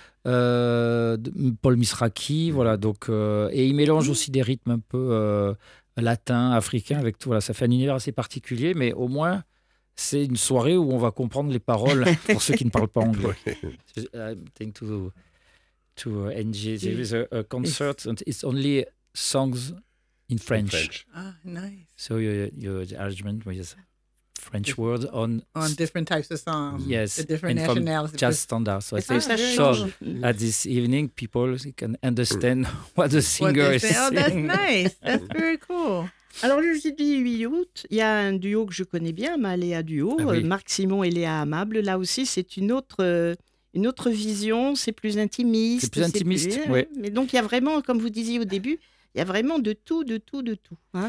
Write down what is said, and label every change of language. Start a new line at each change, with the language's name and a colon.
French: Paul Misraki, et il mélange aussi des rythmes un peu latins, africains, avec tout. Voilà, ça fait un univers assez particulier, mais au moins, c'est une soirée où on va comprendre les paroles pour ceux qui ne parlent pas anglais.
English: Thank you. to Angie. There is a concert, and it's only songs in French. Nice. So your arrangement was French word on different types of songs. Yes, the different nationalities. Jazz standard. So it's so cool. At this evening, people can understand what the singer is saying. Oh, that's nice. That's very cool.
French: Alors, le jeudi 8 août, il y a un duo que je connais bien, Maléa Duo, Marc Simon et Léa Amable. Là aussi, c'est une autre vision, c'est plus intimiste. C'est plus intimiste, oui. Mais donc, il y a vraiment, comme vous disiez au début, il y a vraiment de tout. Hein.